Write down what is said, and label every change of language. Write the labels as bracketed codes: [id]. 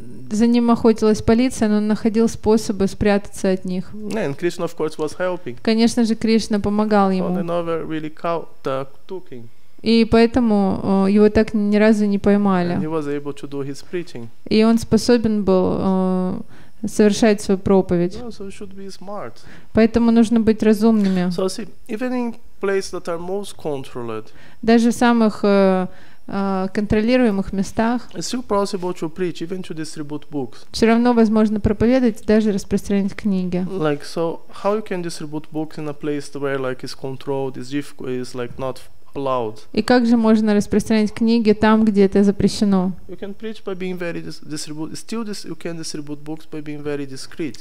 [ru] За ним охотилась полиция, но он находил способы спрятаться от них. [en] Yeah, and Krishna, of course, was helping. [ru] Конечно же, Кришна помогал ему. [en] So they never really caught, took him. [ru] И поэтому его так ни разу не поймали. [en] And he was able to do his preaching. [ru] И он способен был совершать свою проповедь. [en] Yeah, so we should be smart. [ru] Поэтому нужно быть разумными. [en] So see, even in places that are most controlled, [ru] даже в самых контролируемых местах. [en] It's still possible to preach, even to distribute books. [ru] Все равно возможно проповедовать, даже распространять книги. [en] Like so, how you can distribute books in a place where like is controlled, is difficult, is like not allowed? [ru] И как же можно распространять книги там, где это запрещено? [en] You can preach by being very you can distribute books by being very discreet.